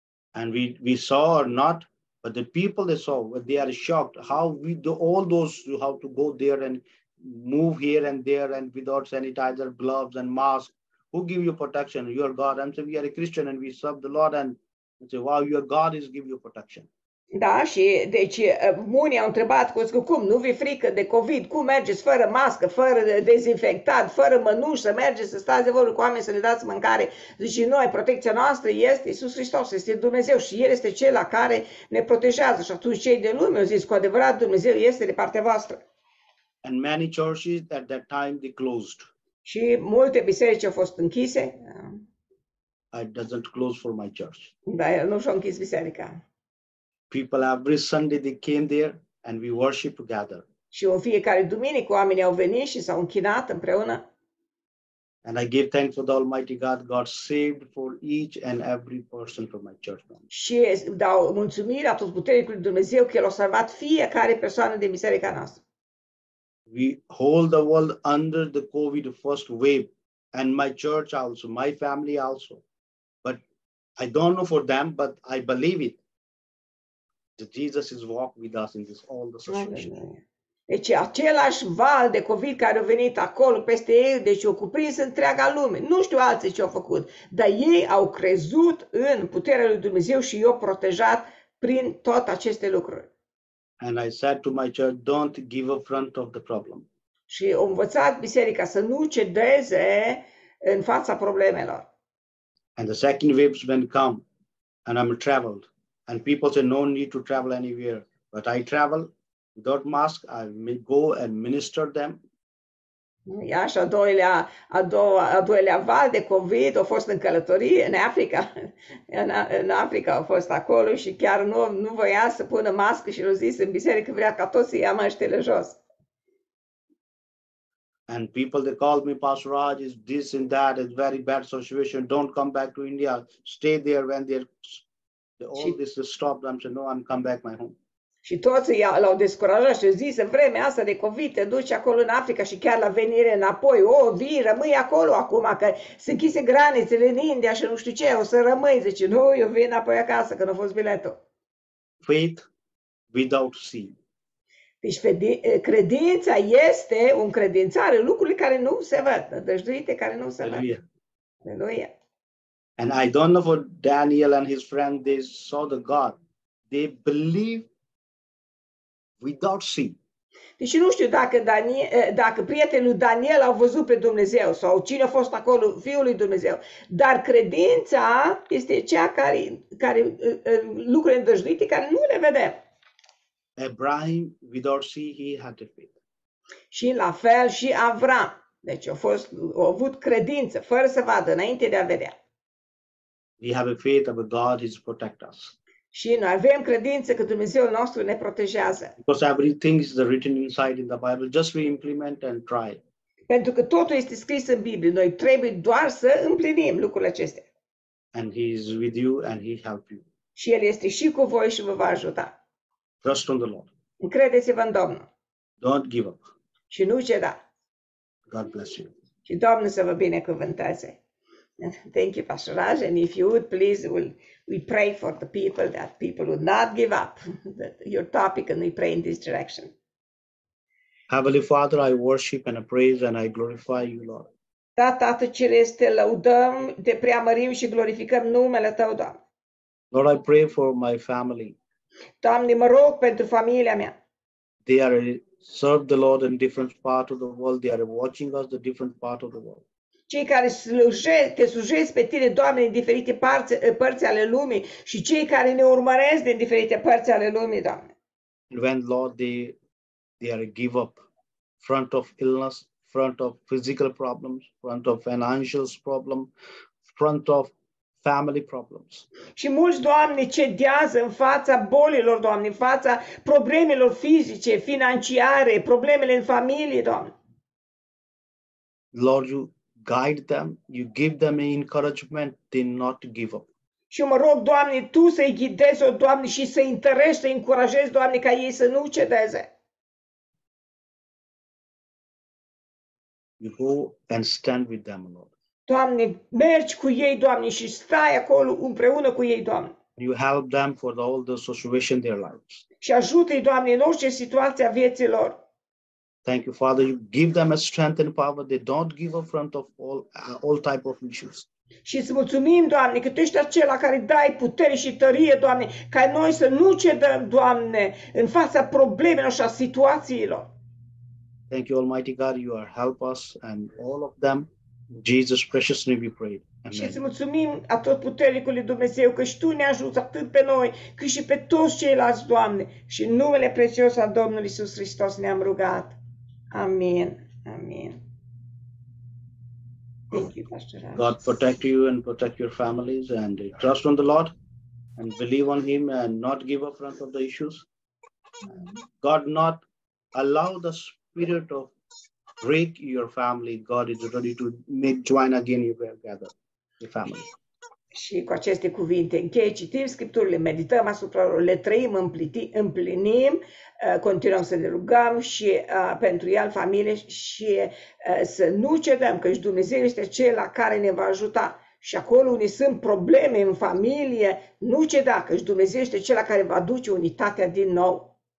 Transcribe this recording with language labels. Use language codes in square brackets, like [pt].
[en] And we saw or not, but the people they saw, they are shocked how we do all those who have to go there and move here and there and without sanitizer, gloves and mask. Who give you protection? Your God. I'm saying we are a Christian and we serve the Lord and say, wow, your God is give you protection. [ro] Da, și deci unii au întrebat cum nu vi frică de COVID, cum mergeți fără mască, fără dezinfectat, fără mănuși să mergeți să stați de vorbă cu oameni să le dați mâncare. Zice, noi, protecția noastră este Iisus Hristos, este Dumnezeu și El este Cel la care ne protejează. Și atunci cei de lume au zis, cu adevărat, Dumnezeu este de partea voastră. [en] And many churches at that time they closed. [ro] Și multe biserici au fost închise. [en] I doesn't close for my church. [ro] Da, el nu și-a închis biserica. [en] People every Sunday they came there and we worship together. [ro] Și în fiecare duminică oamenii au venit și s-au închinat împreună. [en] And I give thanks to the Almighty God, God saved for each and every person from my church. [ro] Și dau mulțumire atotputernicului Dumnezeu că El a salvat fiecare persoană din biserica noastră. [en] We hold the world under the COVID first wave and my church also, my family also. But I don't know for them, but I believe it. That Jesus is walk with us in this all the situation. [ro] Deci același val de COVID care a venit acolo peste ei, deci a cuprins întreaga lume. Nu știu alții ce au făcut, dar ei au crezut în puterea lui Dumnezeu și i-au protejat prin tot aceste lucruri. [en] And I said to my church, don't give up front of the problem. [ro] Și am învățat biserica să nu cedeze în fața problemelor. [en] And the second wave when come and I'm traveled. And people say no need to travel anywhere, but I travel without mask. I go and minister them. [ro] Iașa a doua val de COVID a fost în călătorie în Africa. În Africa a fost acolo și chiar nu voia să pună mască și l-a zis în biserică vrea ca toți să ia măștile jos. [en] And people they called me, Pastor Raj, is this and that, it's very bad situation. Don't come back to India. Stay there when they're. All this is stopped. I'm saying, no, I'm come back my home. [ro] Și toți l-au descurajat și zis, în vremea asta de COVID, te duci acolo în Africa și chiar la venire înapoi, vii, rămâi acolo acum, că se închise granițele în India și nu știu ce, o să rămâi. Zice, nu, eu vin înapoi acasă, că nu a fost biletul. [en] Faith without seeing. [ro] Deci credința este un credințar, lucrurile care nu se văd, nădăjduite care nu se văd. Aleluia. [en] And I don't know for Daniel and his friend, they saw the God. They believe without seeing. [ro] Deci nu știu dacă prietenii lui Daniel au văzut pe Dumnezeu sau cine a fost acolo, Fiul lui Dumnezeu. Dar credința este cea care lucruri îndrăjduite care nu le vedem. [en] Abraham, without seeing, he had a faith. [ro] Și la fel și Avram. Deci a avut credință, fără să vadă, înainte de a vedea. [en] We have a faith of a God who protects us. [ro] Și noi avem credință că Dumnezeul nostru ne protejează. [en] Because everything is written inside in the Bible, just we implement and try. [ro] Pentru că totul este scris în Biblie, noi trebuie doar să împlinim lucrurile acestea. [en] And he is with you and he help you. [ro] Și el este și cu voi și vă va ajuta. [en] Trust on the Lord. [ro] Încredeți-vă în Domnul. [en] Don't give up. [ro] Și nu ceda. [en] God bless you. [ro] Și Domnul să vă binecuvânteze. [en] Thank you, Pastor Raj. And if you would, please, we pray for the people, that people would not give up your topic, and we pray in this direction. Heavenly Father, I worship and I praise and I glorify you, Lord. [ro] Da, Tată Ceresc, te laudăm, te preamărim și glorificăm numele Tău, Doamne. [en] Lord, I pray for my family. [ro] Doamne, mă rog pentru familia mea. [en] They are serve the Lord in different parts of the world. They are watching us the different parts of the world. [ro] Cei care te slujesc pe tine, Doamne, în diferite părți ale lumii și cei care ne urmăresc din diferite părți ale lumii, Doamne. [en] When, Lord, they are give up front of illness, front of physical problems, front of financial problem, front of family problems. [ro] Și mulți, Doamne, cedează în fața bolilor, Doamne, în fața problemelor fizice, financiare, problemele în familie, Doamne. [en] Lord, you guide them, you give them encouragement to not give up. [ro] Și mă rog, Doamne, Tu să-i ghidezi, o Doamne, și să-i întărești, să-i încurajezi, Doamne, ca ei să nu cedeze. [en] You go and stand with them, Lord. [ro] Doamne, mergi cu ei, Doamne, și stai acolo împreună cu ei, Doamne. [en] You help them for all the situation their lives. [ro] Și ajută-i, Doamne, în orice situație a vieții lor. [en] Thank you, Father. You give them a strength and power. They don't give up front of all type of issues. [ro] Și îți mulțumim, Doamne, că Tu ești acela care dai putere și tărie, Doamne, ca noi să nu cedăm, Doamne, în fața problemelor și a situațiilor. [en] Thank you, Almighty God. You are help us and all of them. Jesus, precious name we pray. [ro] Și îți mulțumim atotputernicului Dumnezeu că și Tu ne ajuți atât pe noi, cât și pe toți ceilalți, Doamne. Și în numele prețios al Domnului Iisus Hristos ne-am rugat. Amen. Amen. [en] Thank you, Pastor Raj. God protect you and protect your families and trust on the Lord and believe on Him and not give up front of the issues. God not allow the spirit of break your family. God is ready to make join again you will gather the family. [ro] Și cu aceste cuvinte încheie, citim scripturile, medităm asupra lor, le trăim, împlinim, continuăm să ne rugăm și pentru el, familie, și să nu cedăm, căci Dumnezeu este cel care ne va ajuta. Și acolo unde sunt probleme în familie, nu ceda, căci Dumnezeu este cel care va aduce unitatea din nou.